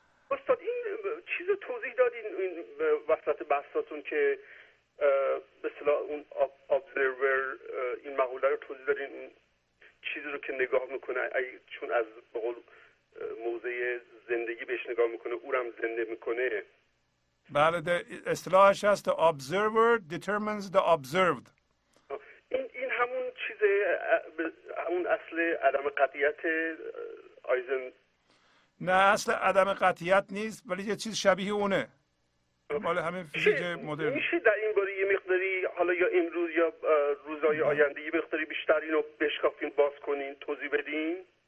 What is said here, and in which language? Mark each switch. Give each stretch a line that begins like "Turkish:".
Persian: استاد این چیز رو توضیح دادین این وسط بحثاتون که به اصطلاح اون observer این مقوله رو توضیح دادین، چیزی رو که نگاه میکنه، چون از به قول موضع زندگی بهش نگاه میکنه، اونم زنده میکنه. بله، اصطلاحش هست
English: the observer determines the observed.
Persian: این همون چیزه، همون اصل عدم قطعیت آیزن؟ نه، اصل عدم قطعیت نیست، ولی یه چیز شبیه اونه. مال همین فیزیک مدرن. میشه در این باره یه مقداری، حالا یا امروز یا روزهای آینده، یه مقداری بیشتر اینو بشکافین، باز کنین، توضیح بدین؟